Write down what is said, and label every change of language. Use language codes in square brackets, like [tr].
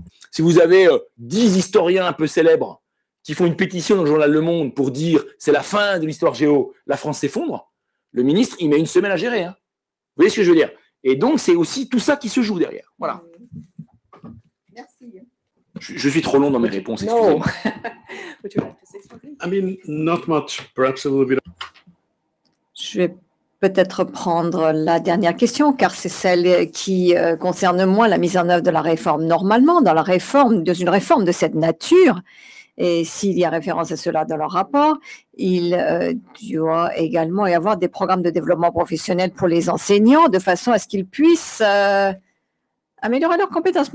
[fr] Si vous avez 10 historiens un peu célèbres qui font une pétition dans le journal Le Monde pour dire « c'est la fin de l'histoire géo, la France s'effondre », le ministre, il met une semaine à gérer. Hein. Vous voyez ce que je veux dire? Et donc, c'est aussi tout ça qui se joue derrière. Voilà. Merci. Je suis trop long dans mes réponses, excusez-moi. [en] I mean, not much, perhaps a little bit. [fr] Je vais peut-être prendre la dernière question, car c'est celle qui concerne moins la mise en œuvre de la réforme. Normalement, dans la réforme, dans une réforme de cette nature, et s'il y a référence à cela dans le rapport, il doit également y avoir des programmes de développement professionnel pour les enseignants, de façon à ce qu'ils puissent améliorer leurs compétences.